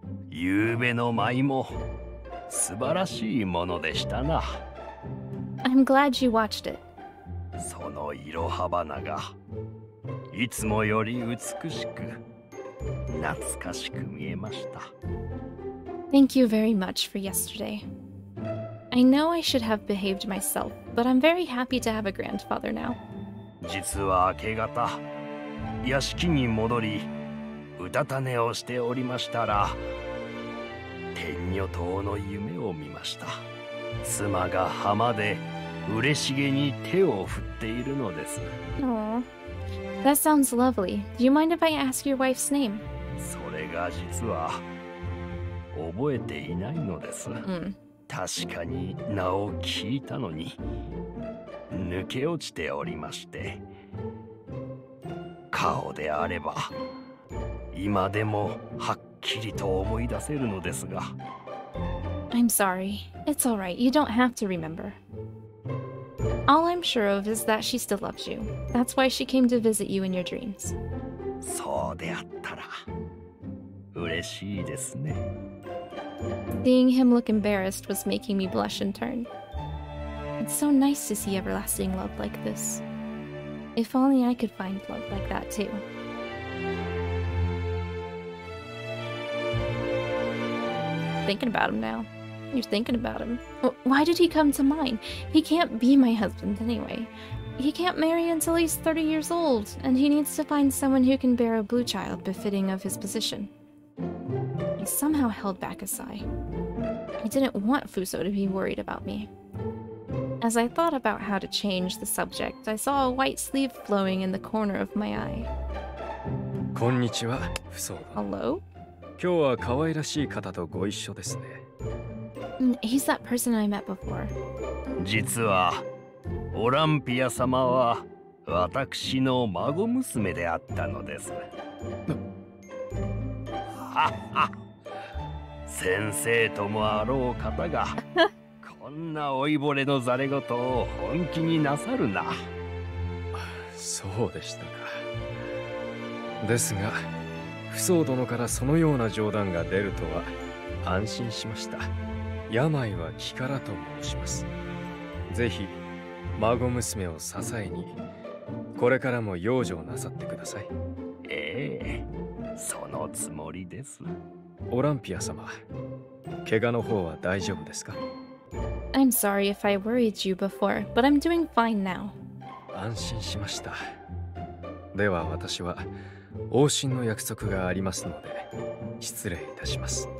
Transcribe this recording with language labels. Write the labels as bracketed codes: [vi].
[ja] ゆうべの舞も素晴らしいものでしたな。 [en] I'm glad you watched it. [ja] その色はばながいつもより美しく懐かしく見えました。 [en] Thank you very much for yesterday. I know I should have behaved myself, but I'm very happy to have a grandfather now. [ja] 実は明け方、屋敷に戻り、うたた寝をしておりましたら、天女島の夢を見ました。妻が浜で嬉しげに手を振っているのです。 [en] Aww. That sounds lovely. Do you mind if I ask your wife's name? [ja] それが実は覚えていないのです。確かに名を聞いたのに抜け落ちておりまして、顔であれば今でもはっきりと思い出せるのですが。 [en] I'm sorry. It's all right. You don't have to remember. All I'm sure of is that she still loves you. That's why she came to visit you in your dreams. [ja] そうであったら嬉しいですね。 [en] Seeing him look embarrassed was making me blush in turn. It's so nice to see everlasting love like this. If only I could find love like that too. Thinking about him now. You're thinking about him. Why did he come to mine? He can't be my husband anyway. He can't marry until he's 30 years old, and he needs to find someone who can bear a blue child befitting of his position. I somehow held back a sigh. I didn't want Fuso to be worried about me. As I thought about how to change the subject, I saw a white sleeve flowing in the corner of my eye. [ja] Konnichiwa, Fuso. [en] Hello? [ja] 今日は可愛らしい方とご一緒ですね。 [en] He's that person I met before. [ja] 実は、オランピア様は私の孫娘であったのです。先生ともあろう方が、こんな老いぼれのざれ事を本気になさるな。そうでしたか。ですが、フソー殿からそのような冗談が出るとは安心しました。病は気からと申します。ぜひ、孫娘を支えに、これからも養生なさってください。ええ、そのつもりです。オランピア様、怪我の方は大丈夫ですか？ [en] I'm sorry if I worried you before, but I'm doing fine now. [ja] 安心しました。では私は、往診の約束がありますので失礼いたします。